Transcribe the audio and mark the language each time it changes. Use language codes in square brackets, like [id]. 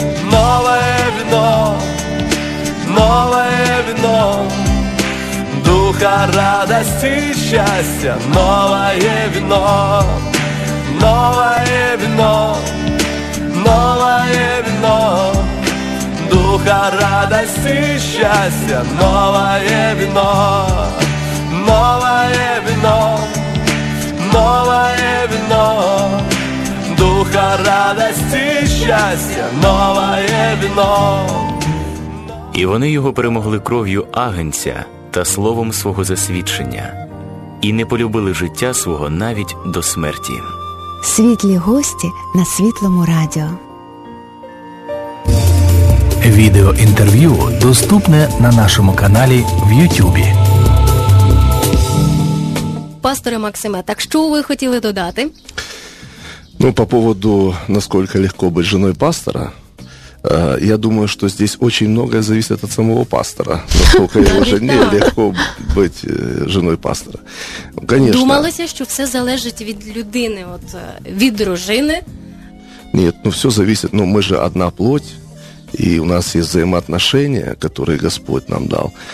[ru] Новое вино, новое вино, духа радости и счастья, новое вино, новое вино, новое вино, духа радости и счастья, новое вино, новое вино, новое вино, духа радости и счастья, новое вино. [uk] І вони його перемогли кров'ю агнця та словом свого засвідчення, і не полюбили життя свого навіть до смерті. Світлі гості на Світлому радіо. Відеоінтерв'ю доступне на нашому каналі в Ютубі. Пасторе Максиме, так що ви хотіли додати? [ru] Ну, по поводу, [uk] наскільки легко бути жіною пастора. [ru] Я думаю, что здесь очень многое зависит от самого пастора, насколько его жене легко быть женой пастора. Конечно. [uk] Думалося, [ru] что все зависит от [uk] людини, от від дружини. [ru] Нет, ну все зависит, ну мы же одна плоть, и у нас есть взаимоотношения, которые Господь нам дал.